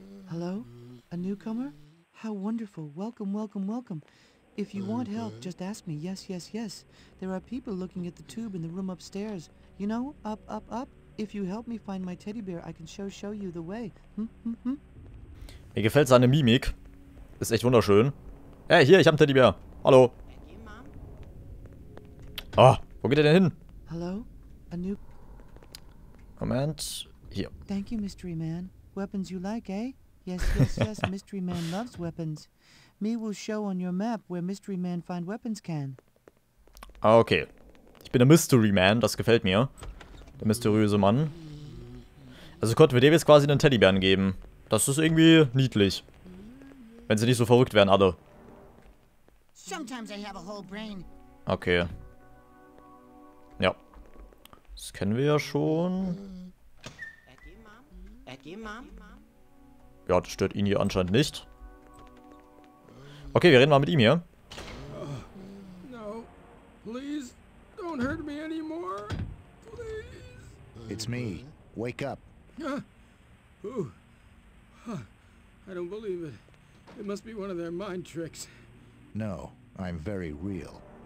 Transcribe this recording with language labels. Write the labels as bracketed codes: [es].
[en] Hello? A newcomer? How wonderful. Welcome, welcome, welcome. If you want help, just ask me. Yes, yes, yes. There are people looking at the tube in the room upstairs. You know, up, up, up. If you help me find my teddy bear, I can show you the way. [de] Mir gefällt seine Mimik. Ist echt wunderschön. Hey, hier, ich hab einen Teddybär. Hallo. Ah, wo geht er denn hin? [en] Hallo? A new... [de] Moment. Hier. [en] Thank you, Mystery Man. Weapons you like, eh? Yes, yes, yes, Mystery Man loves weapons. Me will show on your map where Mystery Man find weapons can. Okay. [de] Ich bin der Mystery Man, das gefällt mir. Der mysteriöse Mann. Also konnten wir dem jetzt quasi einen Teddybären geben. Das ist irgendwie niedlich. Wenn sie nicht so verrückt wären, alle. [en] Sometimes I have a whole brain. [de] Okay. Ja. Das kennen wir ja schon. Ja, das stört ihn hier anscheinend nicht. Okay, wir reden mal mit ihm hier. [en] No. Please don't hurt me anymore. Please. It's me. Wake up. I don't believe it. It must be one of their mind tricks. No, I'm very real.